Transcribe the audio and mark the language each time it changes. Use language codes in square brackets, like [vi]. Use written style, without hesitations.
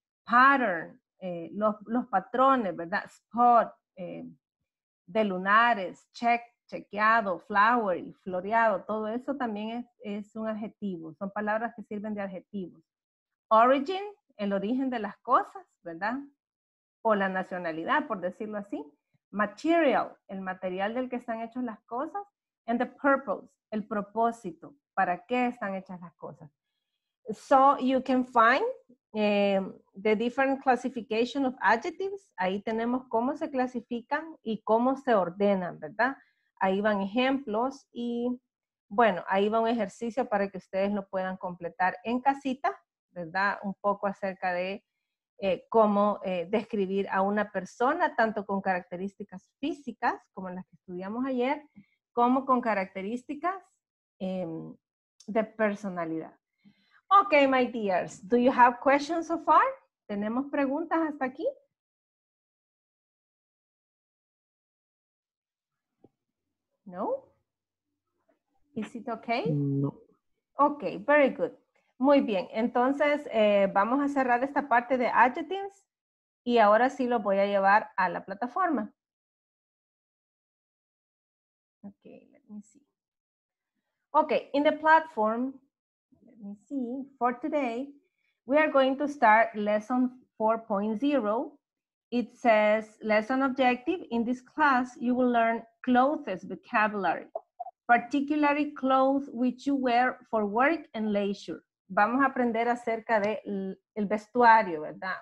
[es] Pattern, los patrones, ¿verdad? Spot, de lunares, chequeado, flowery, floreado, todo eso también es un adjetivo. Son palabras que sirven de adjetivos. Origin, el origen de las cosas, ¿verdad? O la nacionalidad, por decirlo así. Material, el material del que están hechas las cosas. [en] And the purpose, [es] el propósito, ¿para qué están hechas las cosas? [en] So you can find the different classification of adjectives. [es] Ahí tenemos cómo se clasifican y cómo se ordenan, ¿verdad? Ahí van ejemplos y, bueno, ahí va un ejercicio para que ustedes lo puedan completar en casita, ¿verdad? Un poco acerca de cómo describir a una persona, tanto con características físicas como las que estudiamos ayer, como con características de personalidad. [en] Ok, my dears, do you have questions so far? [es] ¿Tenemos preguntas hasta aquí? [en] No? Is it okay? No. Ok, very good. [es] Muy bien, entonces vamos a cerrar esta parte de adjectives y ahora sí los voy a llevar a la plataforma. [en] Ok, let me see. Ok, in the platform, let me see, for today, we are going to start lesson 4.0. It says, lesson objective, in this class, you will learn clothes vocabulary, particularly clothes which you wear for work and leisure. [es] Vamos a aprender acerca de el vestuario, ¿verdad?